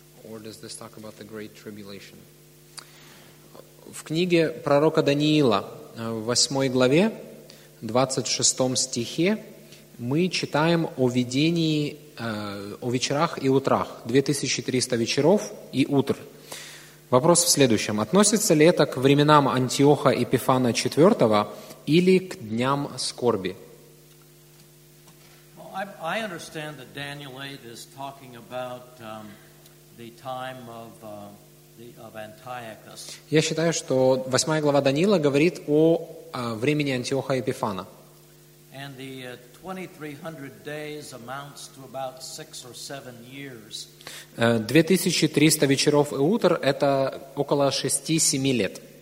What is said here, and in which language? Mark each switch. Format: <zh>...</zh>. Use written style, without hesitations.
<en>Or does this talk about the Great Tribulation?</en> <ru>В книге пророка Даниила, в 8 главе, 26 стихе, мы читаем о видении, о вечерах и утрах. 2300 вечеров и утр. Вопрос в следующем. Относится ли это к временам Антиоха Эпифана IV или к дням скорби?</ru> <en>Well, I understand that Daniel 8 is talking about the time of Antiochus.</en> <ru>Я считаю, что 8 глава Даниила говорит о времени Антиоха Эпифана.</ru> <en>And the 2300 days amounts to about 6 or 7 years.</en> <ru>2300 вечеров и утр – это около 6-7 лет.</ru>